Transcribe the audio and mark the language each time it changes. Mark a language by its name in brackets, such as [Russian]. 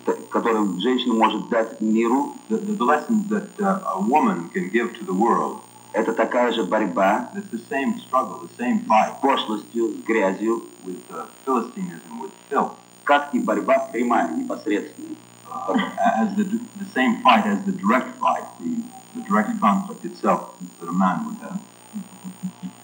[Russian] которым женщина может дать миру, [English] the lesson that a woman can give to the world, [Russian] это такая же борьба, [English] it's the same struggle, the same fight, [Russian] с пошлостью, с грязью, [English] with philistinism, with filth, [Russian] как и борьба прямая, непосредственная, [English] as the same fight as the direct fight, the direct conflict itself that a man would have.